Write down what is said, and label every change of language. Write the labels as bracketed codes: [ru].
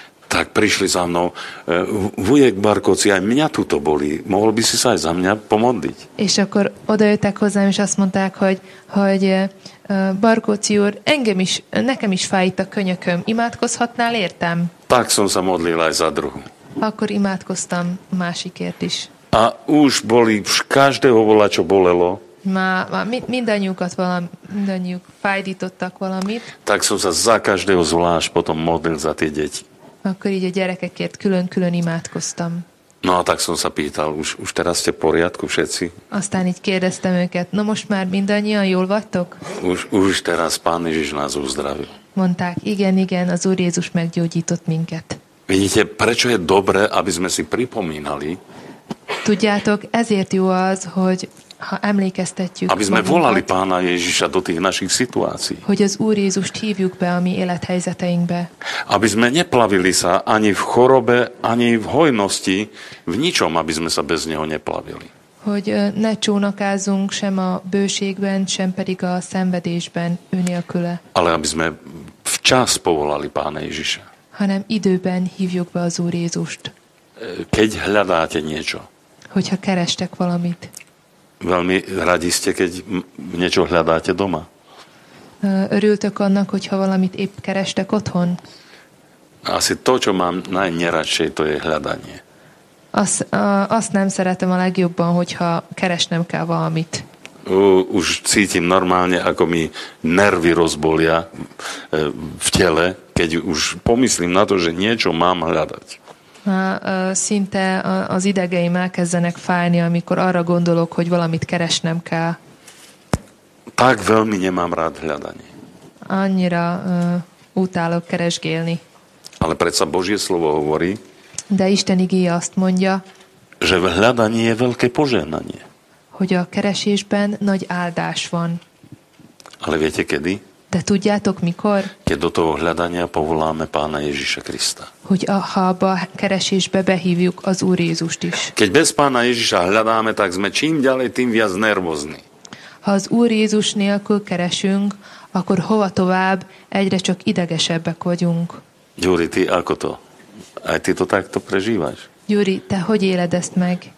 [sk] tak prišli za mnou: Vujek Barkóci, aj mňa tuto boli, mohol by si sa aj za mňa pomodliť? [hu] És akkor odajöttek hozzám, és azt mondták, hogy Barkóci úr, nekem is fáj itt a könyököm, imádkozhatnál értem? [sk] Tak som sa modlil aj za druhú. [hu] Akkor imádkoztam másikért is. [sk] A už boli, každého bola, čo bolelo. [hu] Má mindannyiuk fájdítottak valamit. [sk] Tak som sa za každého zvlášť potom modlil za tie deti. [hu] Akkor így a gyerekekért külön-külön imádkoztam. [sk] No a tak som sa pýtal, už teraz ste v poriadku všetci? [hu] Aztán így kérdeztem őket, no most már mindannyian jól vagytok? [sk] Už teraz Pán Ježiš nás uzdravil. [hu] Mondták, igen, az Úr Jézus meggyógyított minket. [sk] Vidíte, prečo je dobré, aby sme si pripomínali? [hu] Tudjátok, ezért jó az, hogy ha emlékeztetjük, [sk] aby sme volali Pána Ježiša do tých našich situácií. [hu] Hogy az Úr Jézust hívjuk be a mi élethelyzeteinkbe. [sk] Aby sme neplavili sa ani v chorobe, ani v hojnosti, v ničom, aby sme sa bez Neho neplavili. [hu] Hogy ne csónakázunk sem a bőségben, sem pedig a szenvedésben önélküle. [sk] Ale aby sme včas povolali Pána Ježiša. [hu] Hanem időben hívjuk be az Úr Jézust. [sk] Keď hľadáte niečo. [hu] Hogyha kerestek valamit. [sk] Veľmi radi ste, keď niečo hľadáte doma. [hu] Örültök annak, hogyha valamit épp kerestek otthon? [sk] Asi to, čo mám najneradšej, to je hľadanie. [hu] Azt nem szeretem a legjobban, hogyha keresnem kell valamit. [sk] Už cítim normálne, ako mi nervy rozbolia v tele, keď už pomyslím na to, že niečo mám hľadať. [hu] Szinte az idegeim elkezdenek fájni, amikor arra gondolok, hogy valamit keresnem kell. [sk] Tak veľmi nemám rád hľadanie. [hu] Annyira utálok keresgélni. [sk] Ale predsa Božie slovo hovorí, [hu] de Isten igéje azt mondja, [sk] že v hľadaní je veľké požehnanie. [hu] Hogy a keresésben nagy áldás van. [sk] Ale viete kedy? [hu] De tudjátok mikor? [sk] Keď do toho hľadania povoláme Pána Ježiša Krista. [hu] Hogy ha keresésbe behívjuk az Úr Jézust is. [sk] Keď bez Pána Ježiša hľadáme, tak sme čím ďalej, tým viac nervózni. [hu] Ha az Úr Jézus nélkül keresünk, akkor hova tovább, egyre csak idegesebbek vagyunk. [sk] Gyuri, ty ako to? Aj ty to takto prežíváš? [hu] Gyuri, te hogy éled ezt meg?